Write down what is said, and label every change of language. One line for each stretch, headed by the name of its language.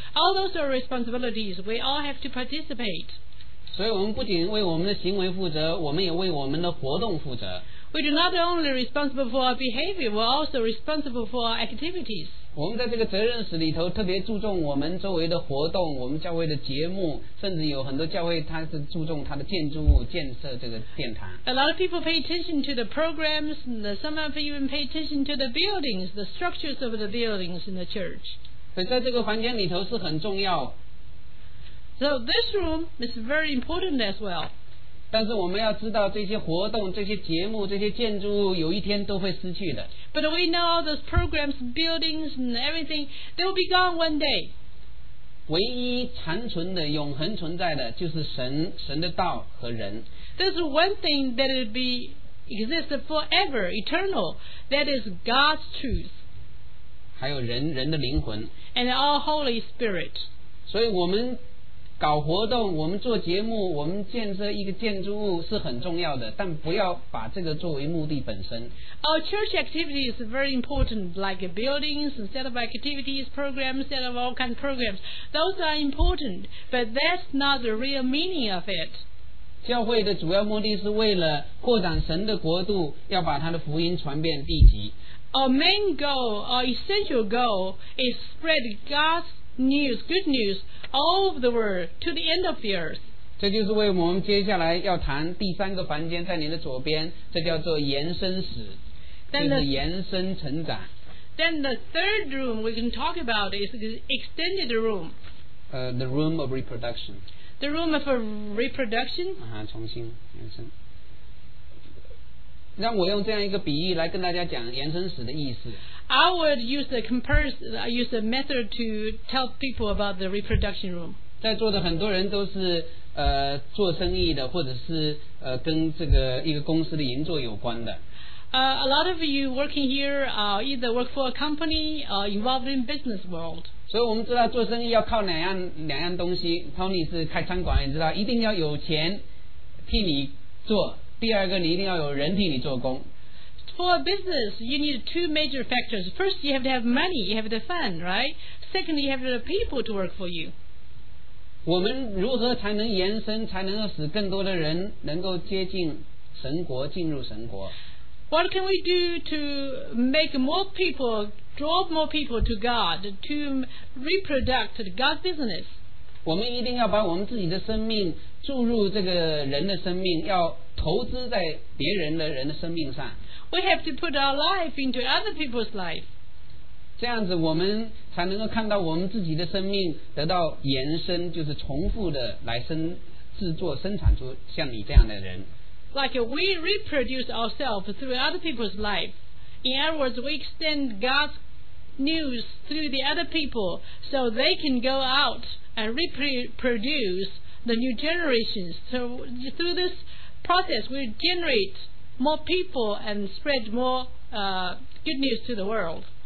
English: All those are responsibilities. We all have to participate.
Chinese: 所以我们不仅为我们的行为负责，我们也为我们的活动负责。
English: We are not only responsible for our behavior, we are also responsible for our activities.
Chinese: 我们在这个责任史里头特别注重我们周围的活动，我们教会的节目，甚至有很多教会它是注重它的建筑物建设这个殿堂。
English: A lot of people pay attention to the programs, and some of even pay attention to the buildings, the structures of the buildings in the church.
Chinese: 所以在这个房间里头是很重要。
English: So this room is very important as well.
Chinese: 但是我们要知道，这些活动、这些节目、这些建筑物，有一天都会失去的。
English: But we know all those programs, buildings, and everything, they will be gone one day.
Chinese: 唯一长存的、永恒存在的，就是神、神的道和人。
English: There's one thing that will be exist forever, eternal. That is God's truth.
Chinese: 还有人、人的灵魂。
English: And our Holy Spirit.
Chinese: 所以我们。搞活动，我们做节目，我们建设一个建筑物是很重要的，但不要把这个作为目的本身。
English: Our church activity is very important, like buildings, set of activities, programs, set of all kinds of programs. Those are important, but that's not the real meaning of it.
Chinese: 教会的主要目的是为了扩展神的国度，要把他的福音传遍地极。
English: Our main goal, our essential goal, is spread God's news, good news. All of the world to the end of the earth.
Chinese: 这就是为我们接下来要谈第三个房间，在您的左边，这叫做延伸史，就是延伸成长。
English: Then the third room we can talk about is the extended room. The room of reproduction. The room of reproduction.
Chinese: 重新延伸。让我用这样一个比喻来跟大家讲延伸史的意思。
English: I would use a method to tell people about the reproduction room.
Chinese: 在座的很多人都是做生意的，或者是跟这个一个公司的运作有关的。
English: A lot of you working here either work for a company or involved in business world.
Chinese: 所以我们知道做生意要靠两样东西。Tony 是开餐馆，你知道一定要有钱替你做，第二个你一定要有人替你做工。
English: For a business, you need two major factors. First, you have to have money, you have the fund, right? Second, you have the people to work for you.
Chinese: 我们如何才能延伸，才能够使更多的人能够接近神国，进入神国？
English: What can we do to make more people, draw more people to God, to reproduce God's business?
Chinese: 我们一定要把我们自己的生命注入这个人的生命，要投资在别人的人的生命上。
English: We have to put our life into other people's life.
Chinese: 这样子我们才能够看到我们自己的生命得到延伸，就是重复的来生产出像你这样的人。
English: Like we reproduce ourselves through other people's life. In other words, we extend God's news through the other people so they can go out and reproduce the new generations. So through this process, we generate more people and spread more good news to the world.